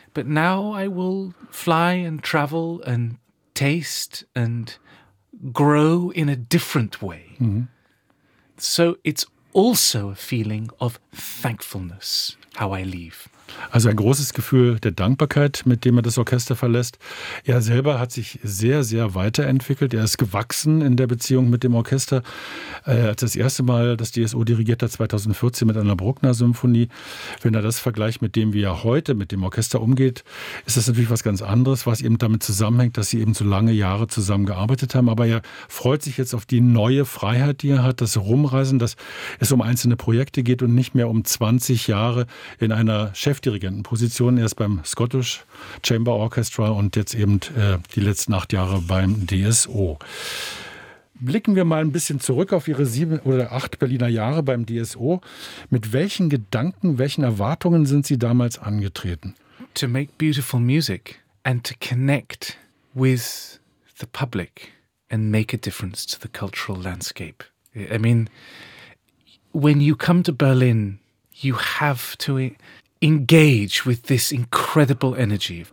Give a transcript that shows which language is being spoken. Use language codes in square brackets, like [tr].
[en] But now I will fly and travel and taste and grow in a different way. Mm-hmm. So it's also a feeling of thankfulness, how I leave. [de] Also ein großes Gefühl der Dankbarkeit, mit dem er das Orchester verlässt. Er selber hat sich sehr, sehr weiterentwickelt. Er ist gewachsen in der Beziehung mit dem Orchester. Als das erste Mal das DSO dirigiert hat, 2014 mit einer Bruckner-Symphonie. Wenn er das vergleicht mit dem, wie er heute mit dem Orchester umgeht, ist das natürlich was ganz anderes, was eben damit zusammenhängt, dass sie eben so lange Jahre zusammen gearbeitet haben. Aber er freut sich jetzt auf die neue Freiheit, die er hat, das Rumreisen, dass es um einzelne Projekte geht und nicht mehr um 20 Jahre in einer Chefdirigentenposition, erst beim Scottish Chamber Orchestra und jetzt eben die letzten 8 Jahre beim DSO. Blicken wir mal ein bisschen zurück auf Ihre 7 oder 8 Berliner Jahre beim DSO. Mit welchen Gedanken, welchen Erwartungen sind Sie damals angetreten? [en] To make beautiful music and to connect with the public and make a difference to the cultural landscape. I mean, when you come to Berlin, you have to engage with this incredible energy.